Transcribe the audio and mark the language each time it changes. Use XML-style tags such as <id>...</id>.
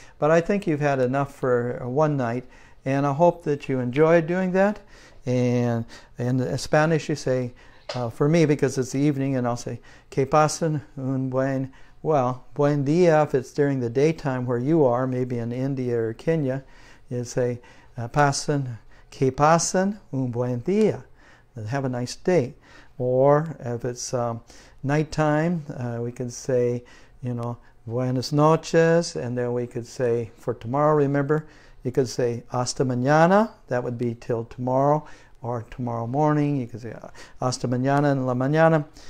<en>But I think you've had enough for one night, and I hope that you enjoyed doing that. And in Spanish, you say, for me, because it's the evening, and I'll say,</en> <es>que pasen un buen,</es> <en>well,</en> <es>buen día,</es> <en>if it's during the daytime where you are, maybe in India or Kenya,</en> <es>is a pasen, que pasen un buen día.</es> <en>Have a nice day. Or if it's nighttime, we can say, you know,</en> <es>buenas noches.</es> <en>And then we could say for tomorrow, remember, you could say</en> <es>hasta mañana.</es> <en>That would be till tomorrow. Or tomorrow morning, you could say</en> <es>hasta mañana en la mañana.</es>